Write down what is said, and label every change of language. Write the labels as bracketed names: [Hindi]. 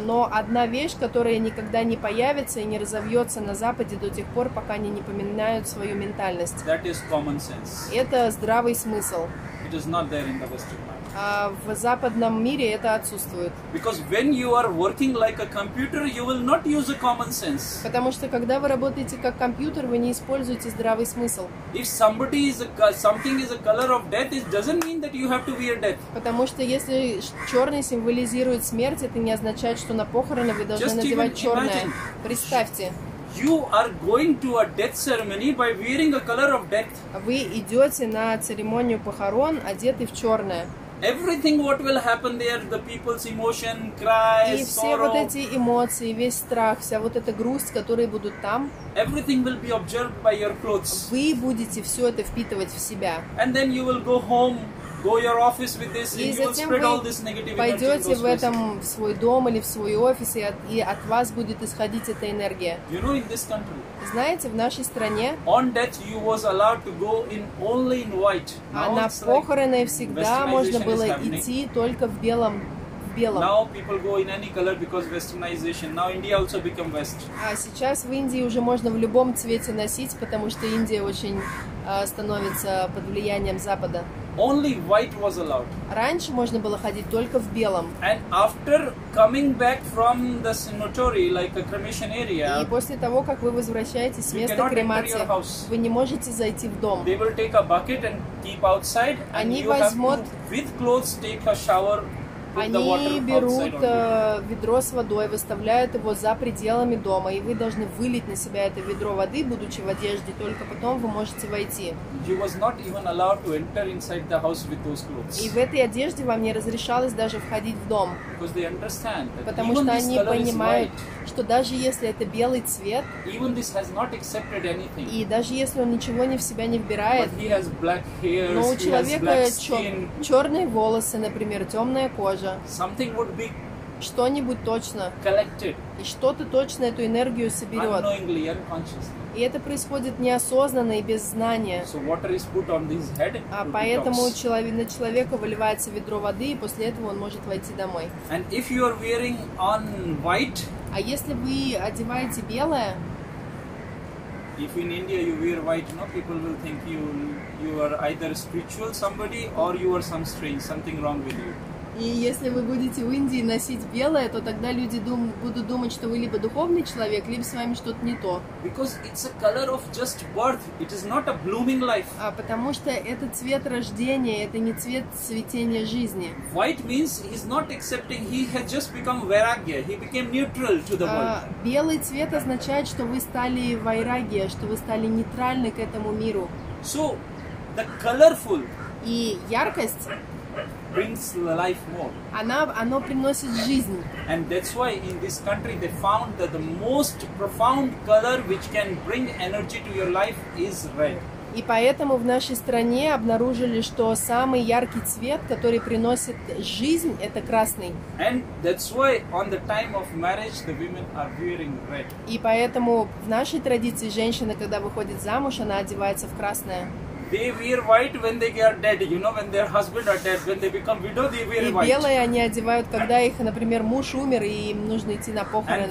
[Russian] Но одна вещь, которая никогда не появится и не разовьется на Западе до тех пор, пока они не поменяют свою ментальность. [English] That is common sense. [Russian] Это здравый смысл. [English] It is not there in the Western world. [Russian] В западном мире это отсутствует. [English] Because when you are working like a computer, you will not use a common sense. [Russian] Потому что когда вы работаете как компьютер, вы не используете здравый смысл. [English] If somebody is something is a color of death, it doesn't mean that you have to wear death. [Russian] Потому что если черный символизирует смерть, это не означает, что на похороны вы должны [English] Just [Russian] надевать черное. [English] Imagine. [Russian] Представьте. [English] You are going to a death ceremony by wearing a color of death. [Russian] Вы идете на церемонию похорон, одетый в черное. [English] Everything what will happen there, the people's emotion, cries, [Russian] и все [English] sorrow, [Russian] вот эти эмоции, весь страх, вся вот эта грусть, которые будут там, [English] everything will be observed by your clothes. [Russian] Вы будете все это впитывать в себя. [English] And then you will go home, go your office with this, and you will spread all this negative energy. [Russian] И затем вы пойдете в этом в свой дом или в свой офис, и от вас будет исходить эта энергия. [English] You know, in this country, [Russian] знаете, в нашей стране [English] on death you was allowed to go in only in white. [Russian] А на похороны всегда можно было идти только в белом. [English] Now people go in any color because westernization. Now India also become west. [Russian] А сейчас в Индии уже можно в любом цвете носить, потому что Индия очень становится под влиянием Запада. [English] Only white was allowed. [Russian] Раньше можно было ходить только в белом. [English] And after coming back from the cemetery, like a cremation area, [Russian] и после того, как вы возвращаетесь с места кремации, вы не можете зайти в дом. [English] They will take a bucket and keep outside, [Russian] они [English] and you [Russian] возьмут... [English] have to, with clothes, take a shower. [Russian] Они берут ведро с водой, выставляют его за пределами дома, и вы должны вылить на себя это ведро воды, будучи в одежде, только потом вы можете войти. [English] You was not even allowed to enter inside the house with those clothes. [Russian] И в этой одежде вам не разрешалось даже входить в дом. [English] Because they understand that [Russian] потому [English] even [Russian] что [English] this [Russian] они [English] color [Russian] понимают, [English] is white, [Russian] что даже если это белый цвет, [English] even this has not accepted anything, [Russian] и даже если он ничего не в себя не вбирает, [English] but he has black hairs, [Russian] но у человека [English] he has black skin, [Russian] черные волосы, например, темная кожа, [English] something would be [Russian] что-нибудь точно [English] collected, [Russian] и что-то точно эту энергию соберет. [English] Unknowingly, unconsciously. [Russian] И это происходит неосознанно и без знания. [English] So water is put on his head, [Russian] а поэтому на человека выливается ведро воды, и после этого он может войти домой. [English] And if you are wearing on white, [Russian] а если вы одеваете белое, [English] if in India you wear white, you know, people will think you are either spiritual somebody or you are some strange, something wrong with you. [Russian] И если вы будете в Индии носить белое, то тогда люди будут думать, что вы либо духовный человек, либо с вами что-то не то. [English] Because it's a color of just birth. It is not a blooming life. [Russian] А потому что это цвет рождения, это не цвет цветения жизни. [English] White means he's not accepting. He has just become vairagya. He became neutral to the world. [Russian] Белый цвет означает, что вы стали вайрагья, что вы стали нейтральны к этому миру. [English] So the colorful. [Russian] И яркость. [English] Brings life more. [Russian] Оно приносит жизнь. [English] And that's why in this country they found that the most profound color which can bring energy to your life is red. [Russian] И поэтому в нашей стране обнаружили, что самый яркий цвет, который приносит жизнь, это красный. [English] And that's why on the time of marriage the women are wearing red. [Russian] И поэтому в нашей традиции женщина, когда выходит замуж, она одевается в красное. [English] They wear white when they are dead, you know, when their husband are dead, when they become widow, they wear white. [Russian] И белое они одевают, когда их, например, муж умер, и им нужно идти на похороны.